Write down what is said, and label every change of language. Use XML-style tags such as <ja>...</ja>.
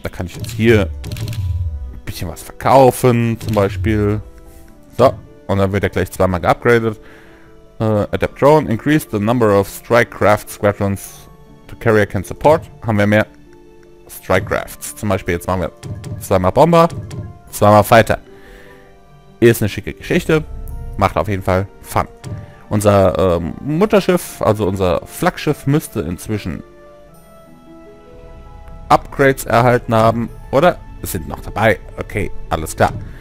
<de>Da kann ich jetzt hier ein bisschen was verkaufen, zum Beispiel. So, und dann wird er gleich zweimal geupgradet.</de> <en>Adapt Drone, increase the number of Strike Craft Squadrons the carrier can support.</en> <de>Haben wir mehr Strike Crafts. Zum Beispiel jetzt machen wir zweimal Bomber, zweimal Fighter. Ist eine schicke Geschichte. Macht auf jeden Fall Fun. Unser Mutterschiff, also unser Flaggschiff, müsste inzwischen Upgrades erhalten haben. Oder? Es sind noch dabei. Okay, alles klar.</de>